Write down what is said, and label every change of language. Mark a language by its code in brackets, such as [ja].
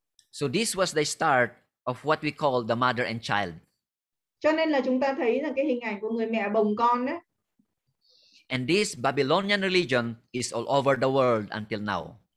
[en] So this was the start of what we call the mother and child. [vi] Cho nên là chúng ta thấy là cái hình ảnh của người mẹ bồng con đấy. [en] And this Babylonian religion is all over the world until now.